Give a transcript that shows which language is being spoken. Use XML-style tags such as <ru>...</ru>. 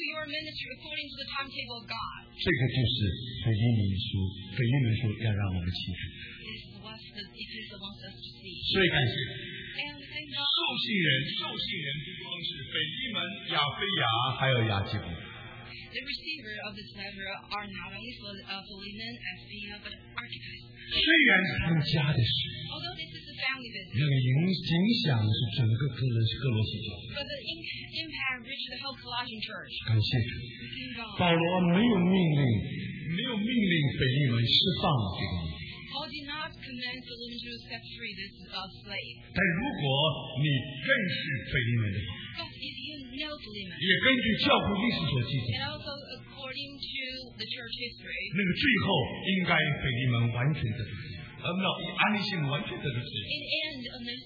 <zh>这个就是福音的书，福音的书要让我们记住。所以感谢受信人，受信人不光是腓利门、亚非亚，还有亚基伯。</zh> <en>The receiver of this letter are not only for the Philemon and Phila, but Archippus.</en> <zh>虽然他们家的事，那个影响是整个哥罗西教会。</zh> <en>But the impact reached the whole Colossian church.</en> <zh>感谢主，保罗没有命令，没有命令腓利门释放这个。</zh> <en>Paul did not command Philemon to set free this slave.</en> <zh>但如果你认识腓利门的话，也根据教会历史所记载，那个最后应该腓利门完全得救，没有，安妮西姆完全得救。</zh>